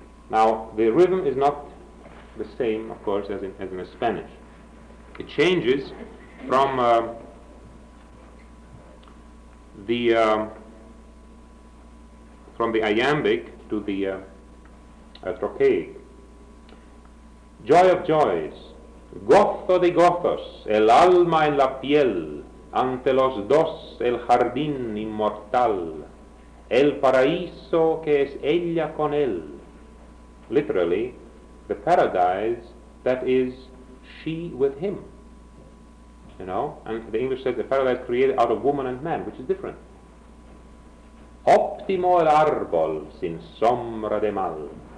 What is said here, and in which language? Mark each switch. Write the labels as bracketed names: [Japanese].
[English] Now, the rhythm is not the same, of course, as in the Spanish. It changes from the iambic to the trochaic. Joy of joys. [Spanish] Gozo de gozos, el alma en la piel, ante los dos el jardín inmortal, el paraíso que es ella con él. [English] Literally, the paradise that is she with him. You know, and the English says the paradise created out of woman and man, which is different. [Spanish] Optimo el árbol sin sombra de mal.